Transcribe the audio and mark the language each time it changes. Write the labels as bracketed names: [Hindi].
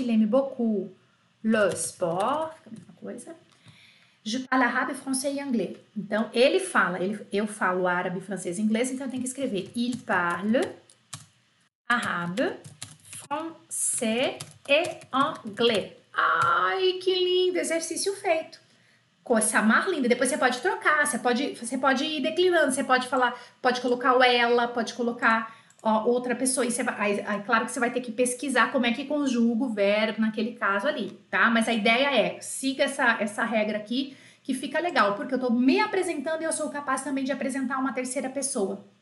[French] Il aime beaucoup le sport. [Portuguese] Fica a mesma coisa. [French] Je parle arabe, français e anglais. [Portuguese] Então, ele fala. Eu falo árabe, francês e inglês. Então, eu tenho que escrever. [French] Il parle arabe, français e anglais. [Portuguese] Ai, que lindo. Exercício feito. Coisa mais linda. Depois, você pode trocar. Você pode ir declinando. Você pode falar. Pode colocar o ela. Pode colocar... Ó, outra pessoa, e você vai, aí, claro que você vai ter que pesquisar como é que conjuga o verbo naquele caso ali, tá? Mas a ideia é, siga essa regra aqui, que fica legal, porque eu tô me apresentando e eu sou capaz também de apresentar uma terceira pessoa.